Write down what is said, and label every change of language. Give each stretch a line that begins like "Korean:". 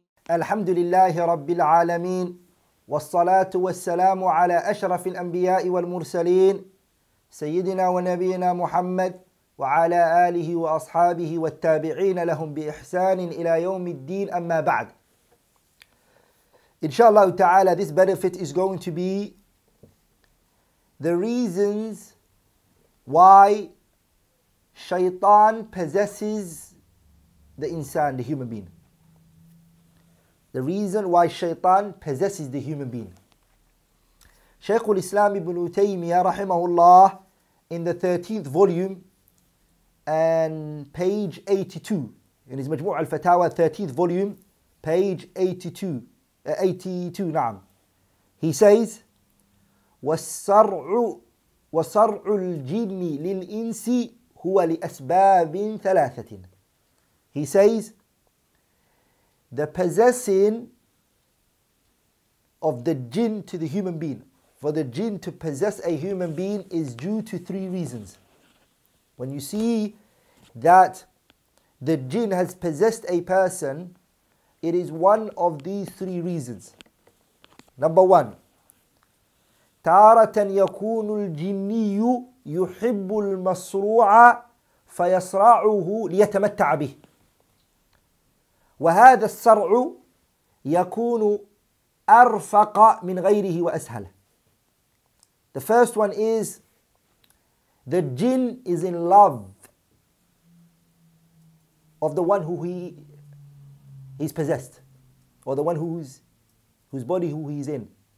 Arabic: الحمد لله رب العالمين، والصلاة والسلام على أشرف الأنبياء والمرسلين سيدنا ونبينا محمد وعلى آله وأصحابه والتابعين لهم بإحسان إلى يوم الدين، أما بعد.
English: Inshallah ta'ala, this benefit is going to be the reasons why shaitan possesses the insan, the human being. The reason why shaitan possesses the human being. Shaykh al-Islam ibn Taymiyyah rahimahullah, in the 13th volume and page 82, in his Majmu' al-Fatawa, 13th volume, page 82.
Arabic: 82 نعم.
English: He says
Arabic: والصرع وصرع الجن للإنس هو لأسباب ثلاثة.
English: He says the possessing of the jinn to the human being, for the jinn to possess a human being, is due to three reasons. When you see that the jinn has possessed a person, it is one of these three reasons. Number one,
Arabic: تارة يكون الجني يحب المصروع فيصرعه ليتمتع به. وهذا الصرع يكون أرفق من غيره وأسهل.
English: The first one is the jinn is in love of the one who he's possessed, or the one whose body who he's in.